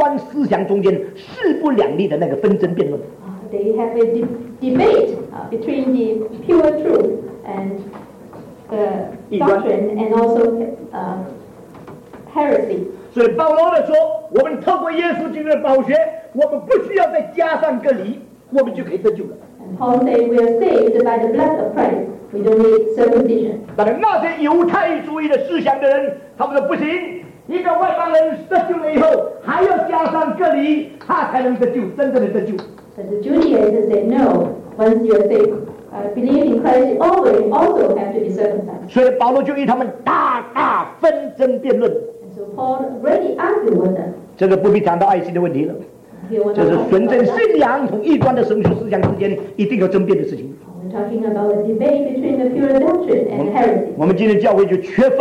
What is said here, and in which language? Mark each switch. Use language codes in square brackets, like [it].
[zh] 就是在纯正信仰同异端思想中间势不两立的那个纷争辩论。 [en] They have a debate between the pure truth and the doctrine and also heresy. [zh] 所以保罗的说，我们透过耶稣基督的宝血，我们不需要再加上个礼。 [en] And Paul said, we are saved by the blood of Christ. We don't need circumcision. But those Jewish [zh] 主义的思想的人，他们说不行。一个外邦人得救了以后，还要加上割礼，他才能得救，真正的得救。 [en] But the Judaism said, no. Once you are saved, believe in Christ, you always also have to be circumcised. [zh] 所以保罗就与他们大大纷争辩论。 [en] And so Paul really argued with them. [zh] 这个不必谈到爱心的问题了。就是纯正信仰同异端的神学思想之间一定有争辩的事情。 [en] We're talking about a debate between the pure doctrine and heresy.